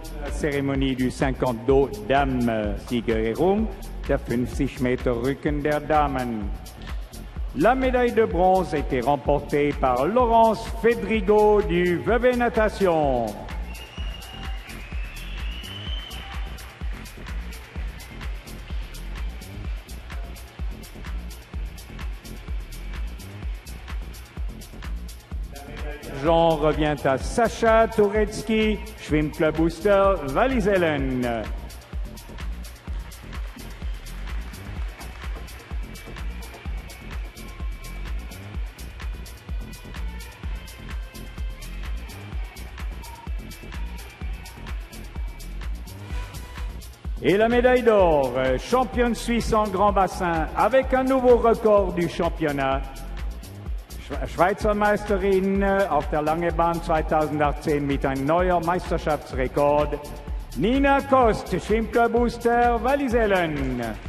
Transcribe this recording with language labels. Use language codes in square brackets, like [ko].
[fr] Cérémonie du 50 d'eau Dame [de] Siegerehrung, der 50 Meter Rücken der Damen. [fr] La médaille de bronze a été remportée par Laurence Fedrigo du Vevey Natation. Jean revient à Sacha Turetsky, Schwimm Club Booster, Wallisellen. Et la médaille d'or, championne suisse en grand bassin avec un nouveau record du championnat. [de] Schweizer Meisterin auf der Langebahn 2018 mit einem neuen Meisterschaftsrekord. Nina Kost, Schwimm Club Booster, Wallisellen.